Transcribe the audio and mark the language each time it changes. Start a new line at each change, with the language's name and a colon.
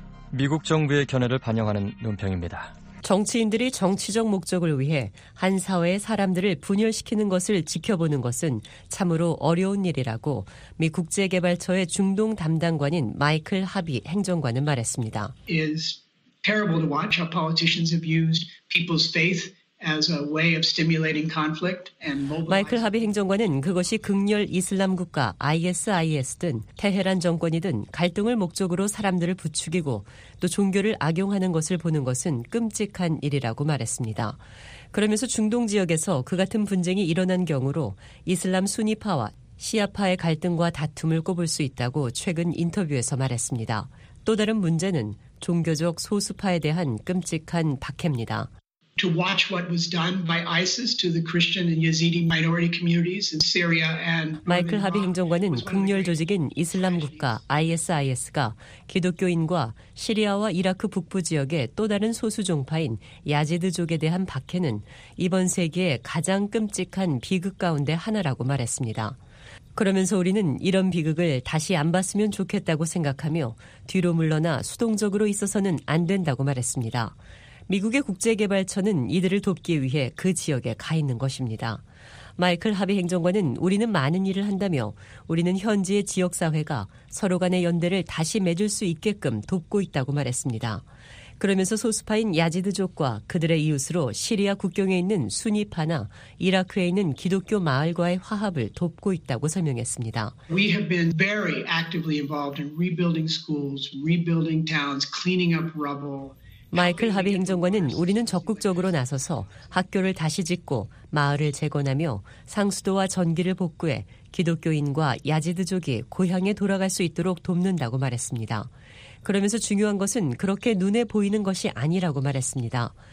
Korean: "미국 정부의 견해를 반영하는 논평입니다. 정치인들이 정치적 목적을 위해 한 사회의 사람들을 분열시키는 것을 지켜보는 것은 참으로 어려운 일이라고 미 국제개발처의 중동 담당관인 마이클 하비 행정관은 말했습니다.
English: It's terrible to watch how politicians have used people's faith as a way of stimulating conflict and mobilizing.
Korean: 마이클 하비 행정관은 그것이 극렬 이슬람 국가 ISIS든 테헤란 정권이든 갈등을 목적으로 사람들을 부추기고 또 종교를 악용하는 것을 보는 것은 끔찍한 일이라고 말했습니다. 그러면서 중동 지역에서 그 같은 분쟁이 일어난 경우로 이슬람 순위파와 시아파의 갈등과 다툼을 꼽을 수 있다고 최근 인터뷰에서 말했습니다. 또 다른 문제는 종교적 소수파에 대한 끔찍한 박해입니다.
English: To watch what was done by ISIS to the Christian and Yazidi minority communities in Syria and
Korean: 마이클 하비 행정관은 극렬 조직인 이슬람 국가 ISIS가 기독교인과 시리아와 이라크 북부 지역의 또 다른 소수 종파인 야지드족에 대한 박해는 이번 세기에 가장 끔찍한 비극 가운데 하나라고 말했습니다. 그러면서 우리는 이런 비극을 다시 안 봤으면 좋겠다고 생각하며 뒤로 물러나 수동적으로 있어서는 안 된다고 말했습니다. 미국의 국제개발처는 이들을 돕기 위해 그 지역에 가 있는 것입니다. 마이클 하비 행정관은 우리는 많은 일을 한다며 우리는 현지의 지역사회가 서로 간의 연대를 다시 맺을 수 있게끔 돕고 있다고 말했습니다. 그러면서 소수파인 야지드족과 그들의 이웃으로 시리아 국경에 있는 순위파나 이라크에 있는 기독교 마을과의 화합을 돕고 있다고 설명했습니다.
English: We have been very actively involved in rebuilding schools, rebuilding towns, cleaning up rubble.
Korean: 마이클 하비 행정관은 우리는 적극적으로 나서서 학교를 다시 짓고 마을을 재건하며 상수도와 전기를 복구해 기독교인과 야지드족이 고향에 돌아갈 수 있도록 돕는다고 말했습니다. 그러면서 중요한 것은 그렇게 눈에 보이는 것이 아니라고 말했습니다.